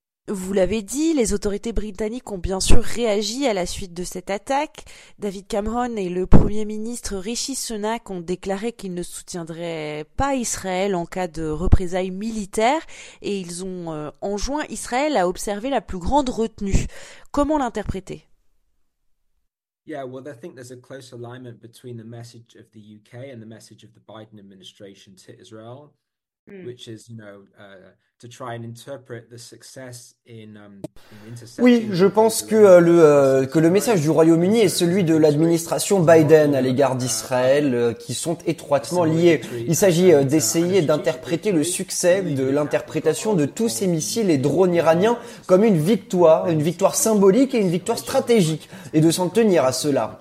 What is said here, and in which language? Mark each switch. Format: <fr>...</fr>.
<fr>Vous l'avez dit, les autorités britanniques ont bien sûr réagi à la suite de cette attaque. David Cameron et le Premier ministre Rishi Sunak ont déclaré qu'ils ne soutiendraient pas Israël en cas de représailles militaires et ils ont enjoint Israël à observer la plus grande retenue. Comment l'interpréter ?</fr> <en>Yeah, well, I think there's a close alignment between the message of the UK and the message of the Biden administration to Israel, which is, you know, to try and interpret the success</en> <fr>Oui, je pense que le message du Royaume-Uni est celui de l'administration Biden à l'égard d'Israël, qui sont étroitement liés. Il s'agit d'essayer d'interpréter le succès de l'interprétation de tous ces missiles et drones iraniens comme une victoire symbolique et une victoire stratégique, et de s'en tenir à cela.</fr>